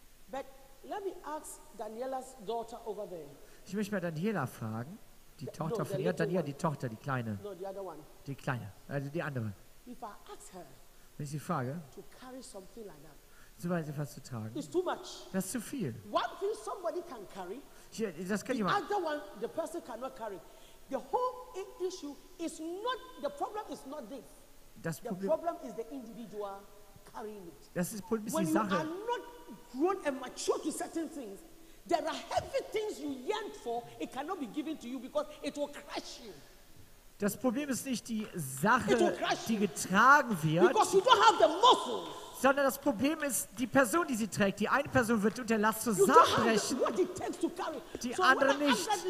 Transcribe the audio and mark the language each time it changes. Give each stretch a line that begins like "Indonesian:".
English: But let me ask Daniela's daughter over there.
German: Ich möchte mal Daniela fragen, die Tochter von ihr, Daniela, die Tochter, die Kleine.
English: No, the other one.
German: Die Kleine, also die andere.
English: If I ask her,
German: wenn ich sie frage,
English: to carry something like that,
German: so weiß ich, was zu tragen.
English: It's too much.
German: Das ist zu viel.
English: One thing somebody can carry,
German: das kann jemand.
English: The other one, the person cannot carry. The whole issue is not, the problem is not this.
German: Das Problem,
English: the problem is the individual carrying it.
German: Das ist Problem, ist die Sache.
English: When you are not grown and mature to certain things, there are heavy things you yearn for, it cannot be given to you because it will crush you.
German: Das Problem ist nicht die Sache, die getragen wird,
English: because you don't have the muscles.
German: Sondern das Problem ist die Person, die sie trägt. Die eine Person wird unter Last zusammenbrechen, die andere nicht.